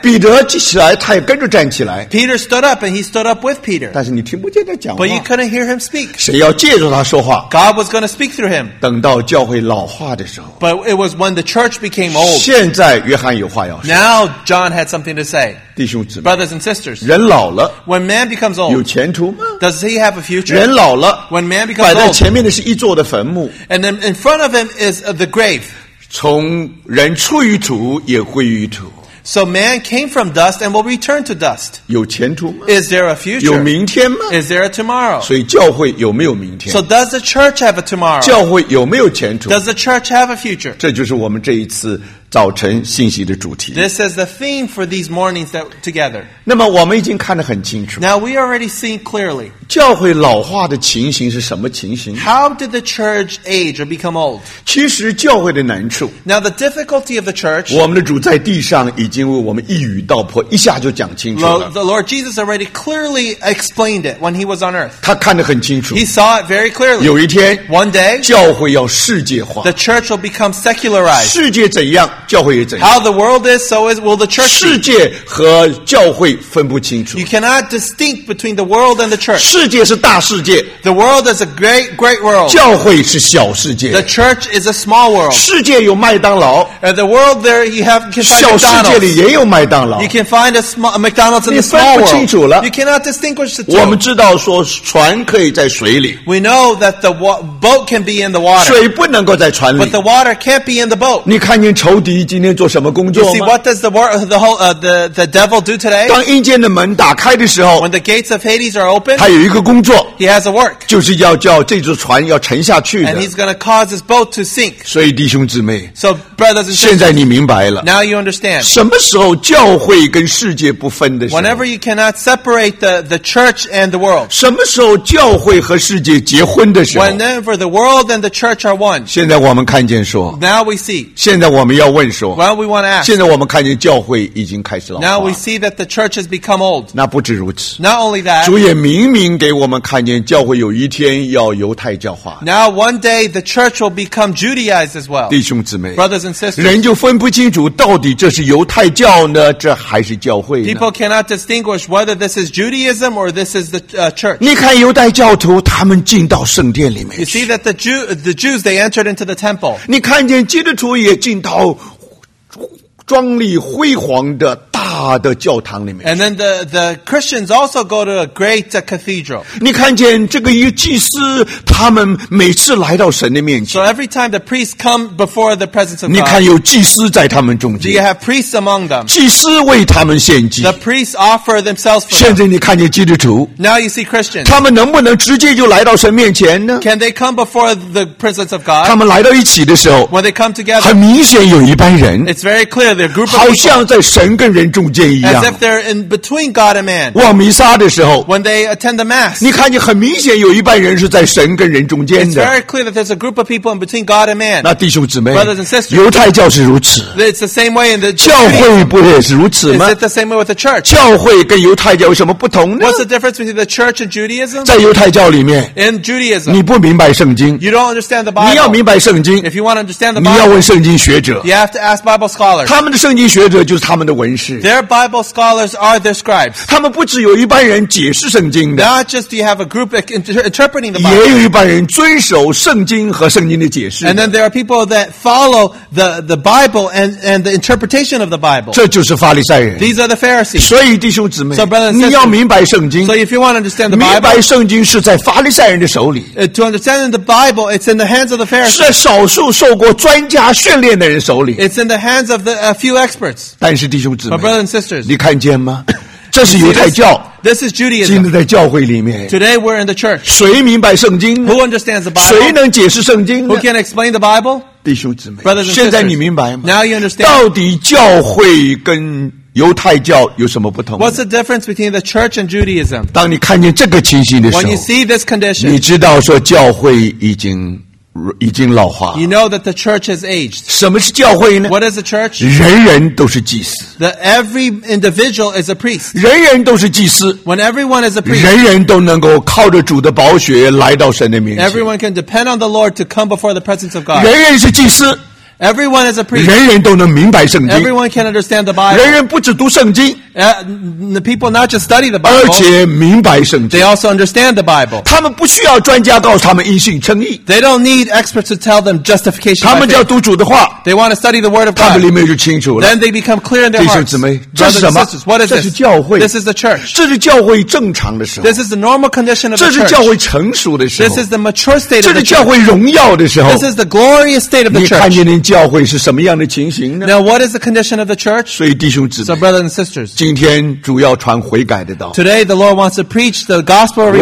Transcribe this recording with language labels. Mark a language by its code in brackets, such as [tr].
[zh] 彼得起来，他也跟着站起来。 [en] Peter stood up, and he stood up with Peter. [zh] 但是你听不见他讲话。 [en] But you couldn't hear him speak. [zh] 谁要借着他说话 [en] ？God was going to speak through him. [zh] 等到教会老化的时候。 [en] But it was when the church became old. [zh] 现在约翰有话要说。 [en] Now John had something to say. [zh] 弟兄姊妹。 [en] Brothers and sisters. [zh] 人老了。 [en] When man becomes old. [zh] 有前途吗 [en] ？Does he have a future? [zh] 人老了。 [en] When man becomes old. [zh] 摆在前面的是一座的坟墓。 [en] And then in front of him is the grave. [zh] 从人出于土也归于土。 [en] So man came from dust and will return to dust. [zh] 有前途吗? [en] Is there a future? [zh] 有明天吗? [en] Is there a tomorrow? [zh] 所以教会有没有明天? [en] So does the church have a tomorrow? [zh] 教会有没有前途? [en] Does the church have a future? [zh] 这就是我们这一次早晨信息的主题。 [en] This is the theme for these mornings that together. [zh] 那么我们已经看得很清楚。 [en] Now we already see clearly. [zh] 教会老化的情形是什么情形? [en] How did the church age or become old? [zh] 其实教会的难处。 [en] Now the difficulty of the church. [zh] 我们的主在地上已经为我们一语道破，一下就讲清楚了。 [en] The Lord Jesus already clearly explained it when he was on earth. [zh] 他看得很清楚。 [en] He saw it very clearly. [zh] 有一天。 [en] One day. [zh] 教会要世界化。 [en] The church will become secularized. [zh] 世界怎样?教会也怎样? [en] How the world is, so is will the church. [zh] 世界和教会分不清楚。 [en] You cannot distinct between the world and the church. [zh] 世界是大世界。 [en] The world is a great, great world. [zh] 教会是小世界。 [en] The church is a small world. [zh] 世界有麦当劳。 [en] And the world there, you have, can find McDonald's. [zh] 小世界里也有麦当劳。 [en] You can find a McDonald's in the small world. [zh] 你分不清楚了。 [en] You cannot distinguish the two. [zh] 我们知道说船可以在水里。 [en] We know that the boat can be in the water. [zh] 水不能够在船里。 [en] But the water can't be in the boat. [zh] 你看见仇敌。 [en] You see, what does the devil do today? [zh] 当阴间的门打开的时候, [en] when the gates of Hades are open, [zh] 他有一个工作, [en] he has a work. [zh] 就是要叫这艘船要沉下去的。 [en] And he's going to cause his boat to sink. [zh] 所以弟兄姊妹, [en] so brothers and sisters, [zh] 现在你明白了。 [en] Now you understand. [zh] 什么时候教会跟世界不分的时候? [en] Whenever you cannot separate the church and the world. [zh] 什么时候教会和世界结婚的时候? [en] Whenever the world and the church are one. [zh] 现在我们看见说。 [en] Now we see. [zh] 现在我们要问说。 [en] Well, we want to ask. [zh] 现在我们看见教会已经开始老化。 [en] Now we see that the church has become old. [zh] 那不止如此。 [en] Not only that. [zh] 主也明明给我们看见教会有一天要犹太教化。 [en] Now one day the church will become Judaized as well. [zh] 弟兄姊妹。 [en] Brothers and sisters. [zh] 人就分不清楚到底这是犹太教呢这还是教会呢。 [en] People cannot distinguish whether this is Judaism or this is the church. [zh] 你看犹太教徒他们进到圣殿里面去。 [en] You see that the Jews, they entered into the temple. [zh] 你看见基督徒也进到庄丽辉煌的大的教堂里面。 [en] And then the Christians also go to a great cathedral. [zh] 你看见这个一祭司他们每次来到神的面前。 [en] So every time the priests come before the presence of God. [zh] 你看有祭司在他们中间。 [en] Do you have priests among them? [zh] 祭司为他们献祭。 [en] The priests offer themselves for [zh] 现在你看见基督徒。 [en] Now you see Christians. [zh] 他们能不能直接就来到神面前呢? [en] Can they come before the presence of God? [zh] 他们来到一起的时候。 [en] When they come together. [zh] 很明显有一般人。 [en] It's very clear. [zh] 好像在神跟人中间一样 [en] as if they're in between God and man [zh] 望弥撒的时候 [en] when they attend the mass [zh] 你看你很明显有一半人是在神跟人中间的 [en] it's very clear that there's a group of people in between God and man [zh] 那弟兄姊妹 [en] brothers and sisters [zh] 犹太教是如此 [en] it's the same way in the [zh] 教会不也是如此吗 [en] is it the same way with the church [zh] 教会跟犹太教有什么不同呢 [en] what's the difference between the church and Judaism [zh] 在犹太教里面 [en] in Judaism [zh] 你不明白圣经 [en] you don't understand the Bible [zh] 你要明白圣经 [en] if you want to understand the Bible [zh] 你要问圣经学者 [en] you have to ask Bible scholars [zh] 他们的圣经学者就是他们的文士。 [en] Their Bible scholars are their scribes. [zh] 他们不只有一般人解释圣经的。 [en] Not just do you have a group interpreting the Bible. [zh] 也有一般人遵守圣经和圣经的解释的。 [en] And then there are people that follow the Bible and the interpretation of the Bible. [zh] 这就是法利赛人。 [en] These are the Pharisees. [zh] 所以弟兄姊妹 [en] so, brother and sister, [zh] 你要明白圣经。 [en] So if you want to understand the Bible. [zh] 明白圣经是在法利赛人的手里。 [en] To understand the Bible, it's in the hands of the Pharisees. [zh] 是在少数受过专家训练的人手里。 [en] It's in the hands of the a few experts. [zh] 但是弟兄姊妹, [en] but brothers and sisters, [zh] 你看见吗?这是犹太教。 [en] This is Judaism. [zh] 今天在教会里面。 [en] Today we're in the church. [zh] 谁明白圣经呢? [en] Who understands the Bible? [zh] 谁能解释圣经呢? [en] Who can explain the Bible? [zh] 弟兄姊妹, [en] brothers and sisters, [zh] 现在你明白吗? [en] Now you understand. [zh] 到底教会跟犹太教有什么不同? [en] What's the difference between the church and Judaism? [zh] 当你看见这个情形的时候, [en] when you see this condition, [zh] 你知道说教会已经老化。 [en] You know that the church has aged. [zh] 什么是教会呢? [en] What is the church? [zh] 人人都是祭司。 [en] That every individual is a priest. [zh] 人人都是祭司。 [en] When everyone is a priest. [zh] 人人都能够靠着主的宝血来到神的面前。 [en] Everyone can depend on the Lord to come before the presence of God. [zh] 人人是祭司。 [en] Everyone is a priest. [zh] 人人都能明白圣经。 [en] Everyone can understand the Bible. [zh] 人人不只读圣经。 [en] The people not just study the Bible. [zh] 而且明白圣经。 [en] They also understand the Bible. [zh] 他们不需要专家告诉他们因信称义。 [en] They don't need experts to tell them justification. [zh] 他们就要读主的话。 [en] They want to study the Word of God. [zh] 他们里面就清楚了。 [en] Then they become clear in their hearts. [zh] 弟兄姊妹，这是什么？ [en] What is this? [zh] 这是教会。 [en] This is the church. [zh] 这是教会正常的时候。 [en] This is the normal condition of the church. [zh] 这是教会成熟的时候。 [en] This is the mature state of the church. [zh] 这是教会荣耀的时候。 [en] This is the glorious state of the church. [zh] 你看见教会是什么样的情形呢？ [en] Now what is the condition of the church? [zh] 所以弟兄姊妹， [en] So brothers and sisters, [zh] 今天主要传悔改的道。 [en] Today the Lord wants to preach the gospel of repentance.